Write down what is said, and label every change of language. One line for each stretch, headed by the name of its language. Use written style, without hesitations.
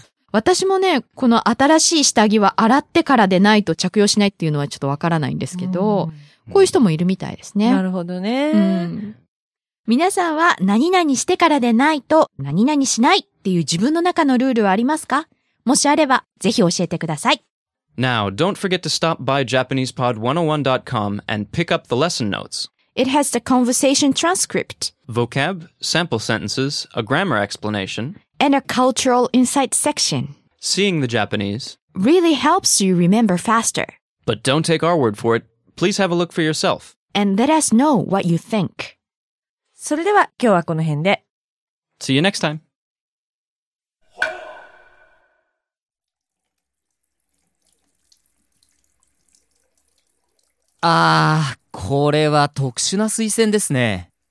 Japanese: 私もね、この新しい下着は洗ってからでないと着用しないっていうのはちょっとわからないんですけど、うん、こういう人もいるみたいですね。なるほどね、うん。皆さんは何々してからでないと何々しないっていう自分の中のルールはありますか？もしあればぜひ教えてください。
English: Now, don't forget to stop by JapanesePod101.com and pick up the lesson notes. It has the conversation transcript, vocab, sample sentences, a grammar explanation, and a cultural insight section. Seeing the Japanese really helps you remember faster. But don't take our word for it. Please have a look for yourself. And let us know what you think.
Japanese: それでは今日はこの辺で。
English: See you next time.
Japanese: ああ、これは特殊な水栓ですね。